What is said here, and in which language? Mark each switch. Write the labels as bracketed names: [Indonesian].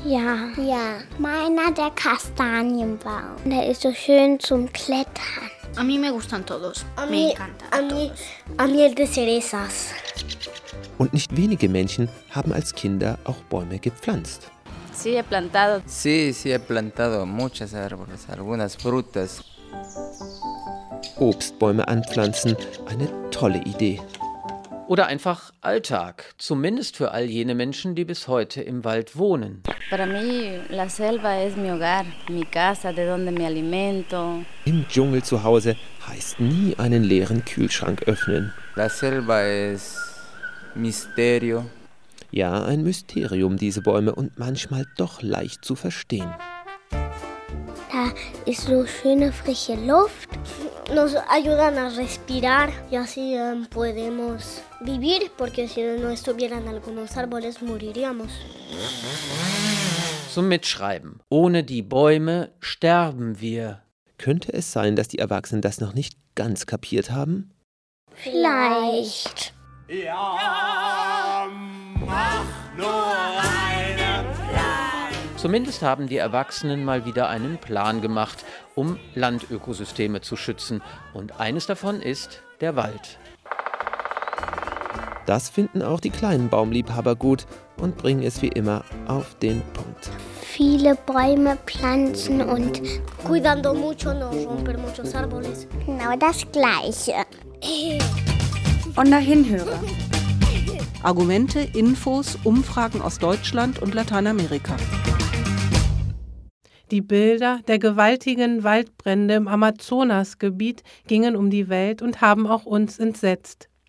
[German] Ja. Ja. Meiner der Kastanienbaum. Der ist so schön zum Klettern. [Spanish] A mí me gustan todos. Me encanta. A mí el de cerezas. [German] Und nicht wenige Menschen haben als Kinder auch Bäume gepflanzt. [Spanish] Sí, he plantado. Sí, sí, he plantado muchas árboles, algunas frutas. [German] Obstbäume anpflanzen, eine tolle Idee. Oder einfach Alltag, zumindest für all jene Menschen, die bis heute im Wald wohnen. [Spanish] Para mí, la selva es mi hogar, mi casa, de donde me alimento. [German] Im Dschungel zu Hause heißt nie einen leeren Kühlschrank öffnen. [Spanish] La selva es misterio. [German] Ja, ein Mysterium, diese Bäume, und manchmal doch leicht zu verstehen. Da ist so schöne frische Luft. [Spanish] Nos ayudan a respirar y así podemos vivir, porque si no estuvieran algunos árboles, moriríamos. [German] Zum Mitschreiben. Ohne die Bäume sterben wir. Könnte es sein, dass die Erwachsenen das noch nicht ganz kapiert haben? Vielleicht. Ja, mach nur einen Plan. Zumindest haben die Erwachsenen mal wieder einen Plan gemacht, um Landökosysteme zu schützen. Und eines davon ist der Wald. Das finden auch die kleinen Baumliebhaber gut und bringen es wie immer auf den Punkt. Viele Bäume pflanzen und [Spanish] cuidando mucho no romper muchos árboles. [German] Genau das Gleiche. Und dahinhöre. Argumente, Infos, Umfragen aus Deutschland und Lateinamerika. Die Bilder der gewaltigen Waldbrände im Amazonasgebiet gingen um die Welt und haben auch uns entsetzt.